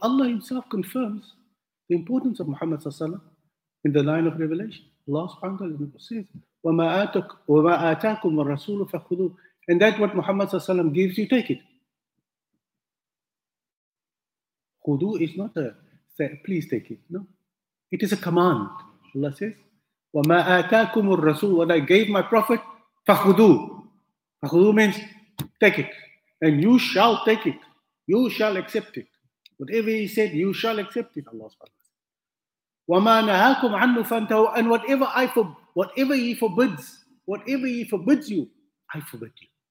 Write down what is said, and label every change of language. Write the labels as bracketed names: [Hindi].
[English] Allah himself confirms the importance of Muhammad sallallahu alayhi wa sallam in the line of revelation. Allah subhanahu wa ta'ala says, [Arabic] وَمَا أَتَاكُمُ الرَّسُولُ فَخُذُوهُ. [English] And that what Muhammad sallallahu alayhi wa sallam gives you, take it. خُذُو is not a say, please take it. No. It is a command. Allah says, [Arabic] وَمَا أَتَاكُمُ الرَّسُولُ. [English] What I gave my prophet, [Arabic] فَخُذُوهُ. فَخُذُوهُ [English] means take it. And you shall take it. You shall accept it. Whatever he said, you shall accept it, Allah subhanahu wa ta'ala. And whatever he forbids you, I forbid you.